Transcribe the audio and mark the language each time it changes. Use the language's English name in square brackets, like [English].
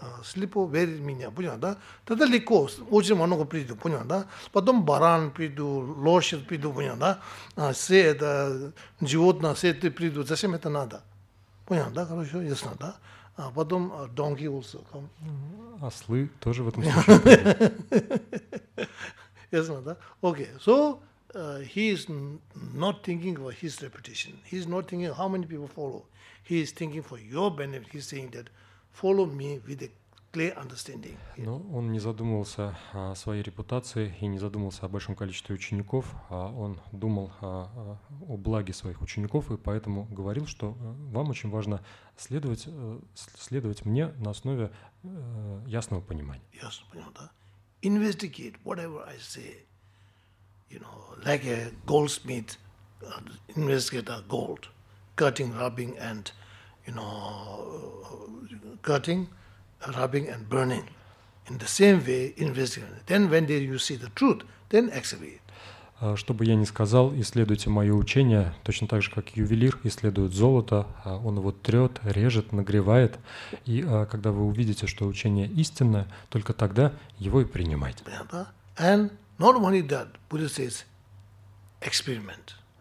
[Russian] Слепо верит в меня, понятно, да? Тогда легко, очень много приду, понятно, да? Потом баран приду, лошадь приду, понятно, да? Все это, животное, все это приду, зачем это надо? Понятно, да? Хорошо, ясно, да? А потом [English] donkey also come. [Russian] Ослы тоже в этом случае придут. Ясно, да? [English] Okay, so he is not thinking of his reputation. He is not thinking how many people follow. He is thinking for your benefit. He is saying that follow me with a clear understanding. [Russian] Но он не задумывался о своей репутации и не задумывался о большом количестве учеников, а он думал о благе своих учеников и поэтому говорил, что вам очень важно следовать мне на основе ясного понимания. Ясно, понял, да? [English] Investigate whatever I say, you know, like a goldsmith investigate a gold, cutting, rubbing, and burning. In the same way, investigate. Then when you see the truth, then excavate. [Russian] Что бы я ни сказал, исследуйте мое учение, точно так же, как ювелир исследует золото, он его трет, режет, нагревает. И когда вы увидите, что учение истинное, только тогда его и принимайте. Понятно? [English] And not only that, Buddha says, experiment.